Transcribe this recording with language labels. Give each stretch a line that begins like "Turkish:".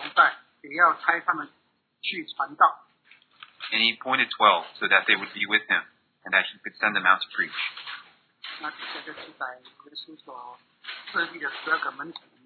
Chinese: 他就设立12个人，要他们常和自己同在，也要差他们去传道。
English: And he appointed 12 so that they would be with him, and that he could send them out to preach.
Chinese: 那这个记载耶稣所设立的12个门徒。